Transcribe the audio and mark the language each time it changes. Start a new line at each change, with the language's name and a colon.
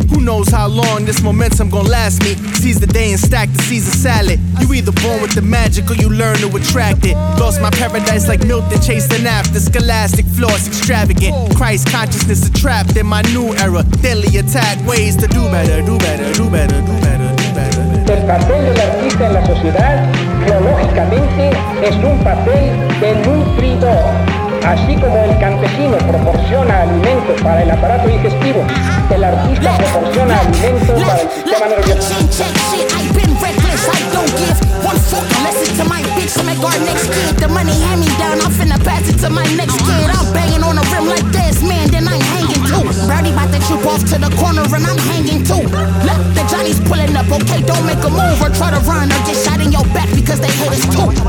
English: Who knows how long this momentum gon' last me. Seize the day and stack the Caesar salad. You either born with the magic or you learn to attract it. Lost my paradise like Milton chasing after. Scholastic flaws extravagant. Christ consciousness is trapped in my new era. Deadly attack ways to do better, do better, do better, do better.
Spanish: El papel del artista en la sociedad, geológicamente, es un papel de nutridor. Así como el campesino proporciona alimentos para el aparato digestivo, el artista proporciona alimentos para el sistema nervioso.
English: To my bitch, to make our next kid. The money hand me down, I'm finna pass it to my next kid. I'm banging on a rim like this, man, then I'm hanging too. Rowdy about to troop off to the corner and I'm hanging too. Look, the Johnny's pulling up, okay, don't make a move or try to run or get shot in your back because they hit us too.